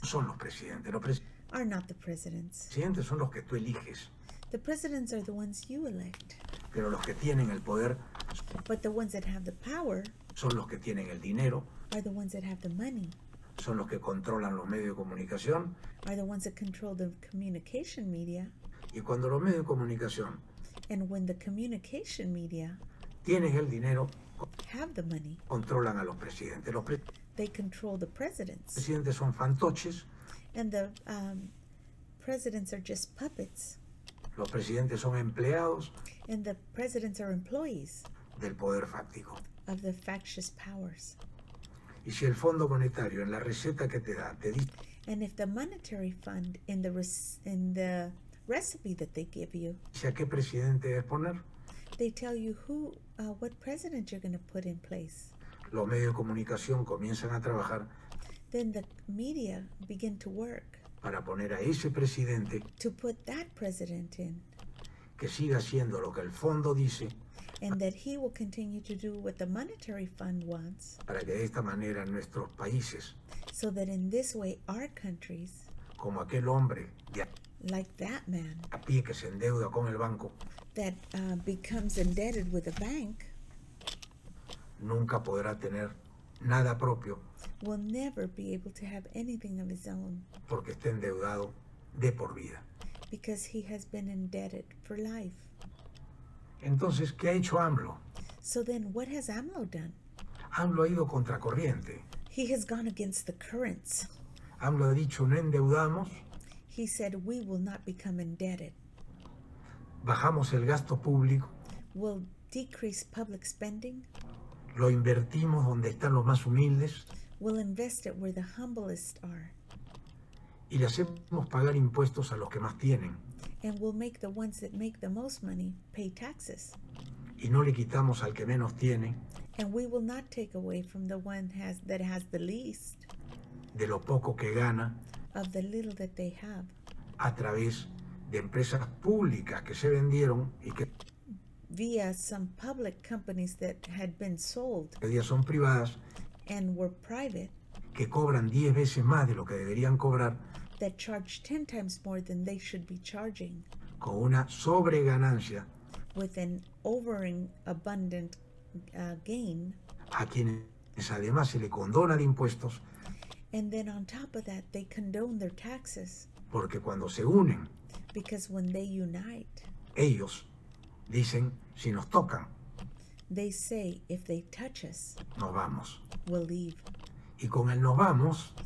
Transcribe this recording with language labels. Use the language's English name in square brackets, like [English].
[Spanish] Son los presidentes. Los presidentes. [English] Are not the presidents. [Spanish] Presidentes son los que tú eliges. [English] The presidents are the ones you elect. [Spanish] Pero los que tienen el poder. [English] But the ones that have the power. [Spanish] Son los que tienen el dinero. [English] Are the ones that have the money. [Spanish] Son los que controlan los medios de comunicación. [English] Are the ones that control the communication media. [Spanish] Y cuando los medios de comunicación. [English] And when the communication media. [Spanish] Tienen el dinero. [English] Have the money. [Spanish] Controlan a los presidentes. Los pre- [English] they control the presidents. [Spanish] Presidentes son fantoches. [English] And the presidents are just puppets. [Spanish] Los presidentes son empleados. [English] And the presidents are employees. [Spanish] Del poder fáctico. [English] Of the factious powers. [Spanish] Y si el fondo monetario en la receta que te da te dice. [English] And if the monetary fund in the recipe that they give you. [Spanish] ¿A qué presidente debes poner? [English] They tell you who, what president you're going to put in place. [Spanish] Los medios de comunicación comienzan a trabajar. [English] Then the media begin to work [Spanish] para poner a ese presidente, [English] to put that president in, [Spanish] que siga haciendo lo que el fondo dice, [English] and that he will continue to do what the monetary fund wants, [Spanish] para que de esta manera nuestros países, [English] so that in this way our countries, [Spanish] como aquel hombre, [English] like that man, [Spanish] a pie que se endeuda con el banco, [English] that becomes indebted with a bank, [Spanish] nunca podrá tener nada propio. [English] Will never be able to have anything of his own. [Spanish] Porque está endeudado de por vida. [English] Because he has been indebted for life. [Spanish] Entonces, ¿qué ha hecho AMLO? [English] So then, what has AMLO done? [Spanish] AMLO ha ido contracorriente. [English] He has gone against the currents. [Spanish] AMLO ha dicho, no endeudamos. [English] He said, we will not become indebted. [Spanish] Bajamos el gasto público. [English] We'll decrease public spending. [Spanish] Lo invertimos donde están los más humildes. [English] We'll invest it where the humblest are. [Spanish] Y le hacemos pagar impuestos a los que más tienen. [English] And we'll make the ones that make the most money pay taxes. [Spanish] Y no le quitamos al que menos tiene. [English] And we will not take away from the one has, that has the least. [Spanish] De lo poco que gana. [English] Of the little that they have. [Spanish] A través de empresas públicas que se vendieron y que. [English] Via some public companies that had been sold. [Spanish] Que ya son privadas. [English] And were private, [Spanish] que cobran 10 veces más de lo que deberían cobrar, [English] that charge 10 times more than they should be charging, [Spanish] con una sobreganancia, [English] with an overing abundant gain, [Spanish] a quienes además se le condona de impuestos, [English] and then on top of that they condone their taxes, [Spanish] porque cuando se unen, [English] because when they unite, [Spanish] ellos dicen si nos tocan, [English] they say if they touch us, [Spanish] nos vamos. [English] We'll leave. [Spanish] Y con el nos vamos,